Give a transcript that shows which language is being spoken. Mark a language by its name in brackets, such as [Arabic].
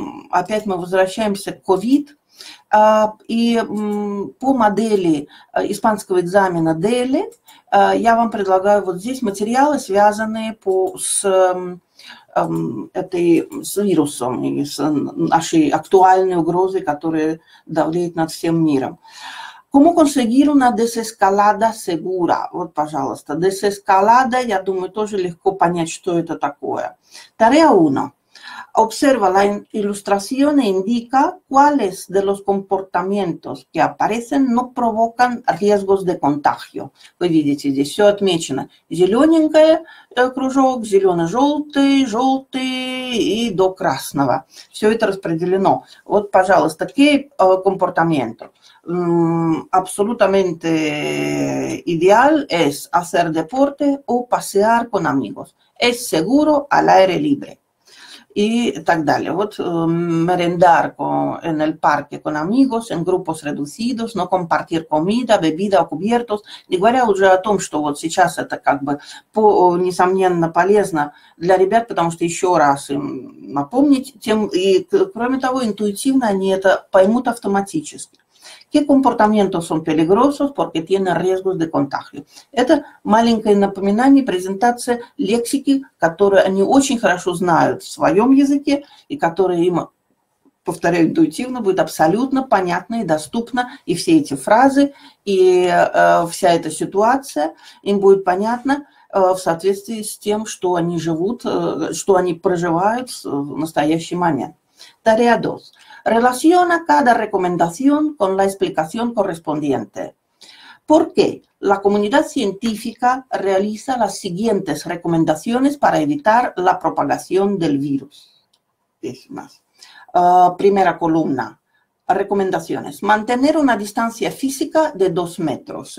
[Russian] Опять мы возвращаемся к COVID и по модели испанского экзамена DELE я вам предлагаю вот здесь материалы, связанные с вирусом и с нашей актуальной угрозой, которая давлеет над всем миром. [Spanish] ¿Cómo conseguir una desescalada segura? [Russian] Вот, пожалуйста, desescalada, я думаю, тоже легко понять, что это такое. [Spanish] Tarea 1. Observa, la ilustración indica cuáles de los comportamientos que aparecen no provocan riesgos de contagio. [Russian] Вы видите, здесь все отмечено. Зелененькое кружок, зелено-желтый, желтый и до красного. Все это распределено. Вот, пожалуйста, [Spanish] ¿qué comportamiento? Absolutamente ideal es hacer deporte o pasear con amigos. Es seguro al aire libre. [Russian] И так далее. [Spanish] Вот merendar en el parque con amigos, en grupos reducidos, no compartir comida, bebida o cubiertos. [Russian] Не говоря уже о том, что вот сейчас это как бы несомненно полезно для ребят, потому что еще раз им напомнить тем, и кроме того, интуитивно они это поймут автоматически. [Spanish] ¿Qué comportamientos son peligrosos porque tienen riesgos de contagio? [Russian] Это маленькое напоминание, презентация лексики, которую они очень хорошо знают в своем языке и которая им, повторяю, интуитивно будет абсолютно понятна и доступна. И все эти фразы, и вся эта ситуация им будет понятна в соответствии с тем, что они живут, что они проживают в настоящий момент. [Spanish] Tarea 2. Relaciona cada recomendación con la explicación correspondiente. ¿Por qué? La comunidad científica realiza las siguientes recomendaciones para evitar la propagación del virus. Es más. Primera columna. Recomendaciones. Mantener una distancia física de 2 metros.